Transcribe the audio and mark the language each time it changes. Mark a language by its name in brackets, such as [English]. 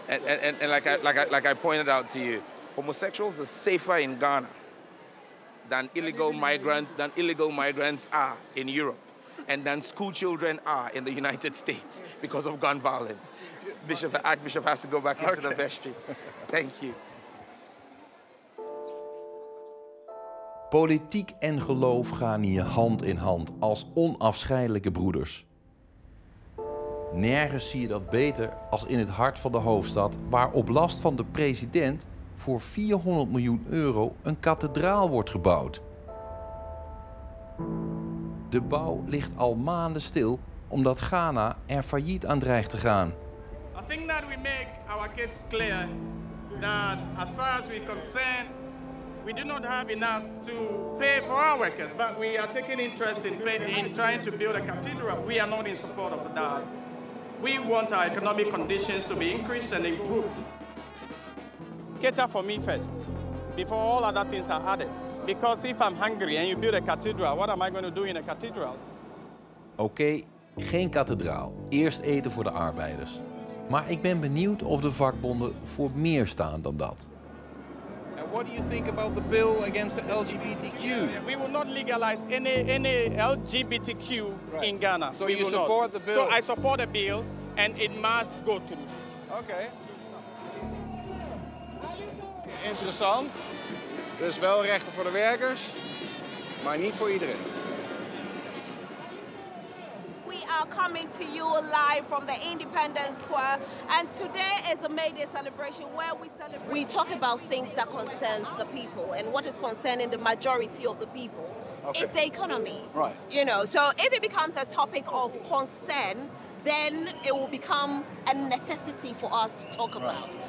[English] And like I pointed out to you, homosexuals are safer in Ghana than illegal migrants are in Europe. and than school children are in the United States because of gun violence. Bishop, the Archbishop has to go back into the vestry. Thank you. [Dutch] Politiek en geloof gaan hier hand in hand als onafscheidelijke broeders. Nergens zie je dat beter als in het hart van de hoofdstad, waar op last van de president voor 400 miljoen euro een kathedraal wordt gebouwd. De bouw ligt al maanden stil omdat Ghana er failliet aan dreigt te gaan. [English] I think that we make our case clear that as far as we're concerned, we do not have enough to pay for our workers, but we are taking interest in trying to build a cathedral. We are not in support of that. We want our economic conditions to be increased and improved. Cater for me first, before all other things are added. Because if I'm hungry and you build a cathedral, what am I going to do in a cathedral? [Dutch] Okay, geen kathedraal. Eerst eten voor de arbeiders. Maar ik ben benieuwd of de vakbonden voor meer staan dan dat. [English] And what do you think about the bill against the LGBTQ? We will not legalize any LGBTQ in Ghana. So we you support not. The bill? So I support a bill and it must go through. Okay. [Dutch] Interessant. Dus wel rechten voor de werkers, maar niet voor iedereen. [English] We are coming to you live from the Independence Square, and today is a May Day celebration where we celebrate. We talk about things that concerns the people, and what is concerning the majority of the people is the economy. Right. You know, so if it becomes a topic of concern, then it will become a necessity for us to talk about.